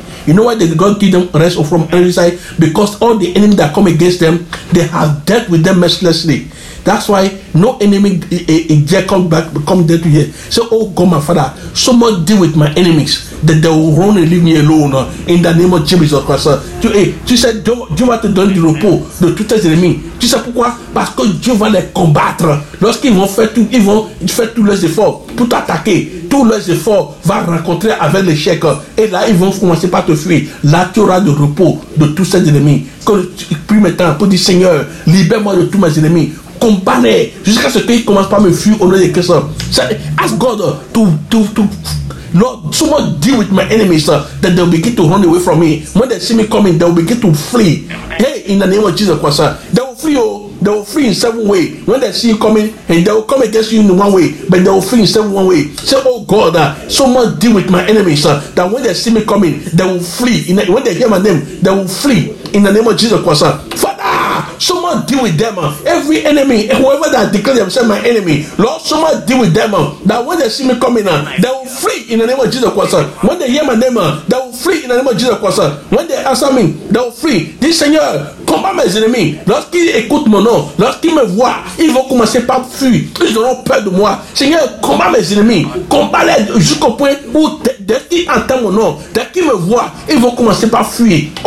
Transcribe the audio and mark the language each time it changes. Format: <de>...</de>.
<en>You know why the God give them rest from every side? Because all the enemy that come against them, they have dealt with them mercilessly. That's why no enemy in Jacob back come dead to you. Say, oh God, my Father, someone deal with my enemies that they will run and leave me alone in the name of Jesus Christ.</en> <fr>Tu sais, Dieu va te donner du repos de tous tes ennemis. Tu sais pourquoi? Parce que Dieu va les combattre. Lorsqu'ils vont faire tout, ils vont faire tous leurs efforts pour t'attaquer. Tous leurs efforts vont rencontrer avec l'échec. Et là, ils vont commencer par te fuir. Là, tu auras du repos de tous tes ennemis. Quand tu pries maintenant pour dire, Seigneur, libère-moi de tous mes ennemis. Comparer jusqu'à ce qu'il commence par me fuir au nom de Christ.</fr> <en>Say, ask God to Lord, someone deal with my enemies that they'll begin to run away from me. When they see me coming, they'll begin to flee. Hey, in the name of Jesus Christ, they will flee in seven ways. When they see you coming, and they will come against you in one way, but they will flee in seven one way. Say, oh God, someone deal with my enemies that when they see me coming, they will flee. When they hear my name, they will flee in the name of Jesus Christ. Someone deal with them. Every enemy, whoever that declare themselves my enemy, Lord, someone deal with them. That when they see me coming, they will flee in the name of Jesus Christ. When they hear my name, they will flee in the name of Jesus Christ. When they answer me, they will flee. This</en> <fr>Seigneur, combat mes ennemis. Lorsqu'ils écoutent mon nom, lorsqu'ils me voient, ils vont commencer par fuir. Ils auront peur de moi. Seigneur, combat mes ennemis. Combat-les jusqu'au point où dès qu'ils entendent mon nom, dès qu'ils me voient, ils vont commencer par fuir.</fr>